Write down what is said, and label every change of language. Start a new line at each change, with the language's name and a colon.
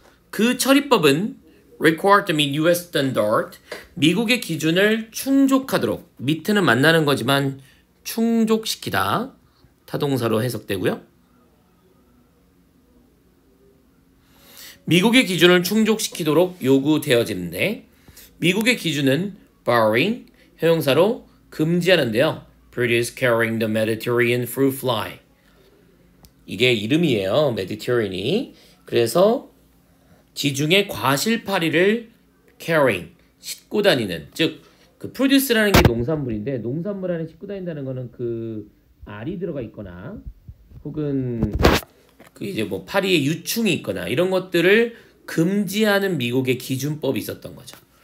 Korean: 그 처리법은
English: required to meet US standard,
Korean: 미국의 기준을 충족하도록, meet는 만나는 거지만 충족시키다. 타동사로 해석되고요. 미국의 기준을 충족시키도록 요구되어집니다. 미국의 기준은 barring, 형용사로 금지하는데요.
English: Produce carrying the Mediterranean fruit fly.
Korean: 이게 이름이에요. Mediterranean이. 그래서 지중해 과실파리를 carrying, 싣고 다니는, 즉 그 produce라는 게 농산물인데 농산물 안에 싣고 다닌다는 거는 그 알이 들어가 있거나 혹은 그 이제 뭐 파리에 유충이 있거나 이런 것들을 금지하는 미국의 기준법이 있었던 거죠.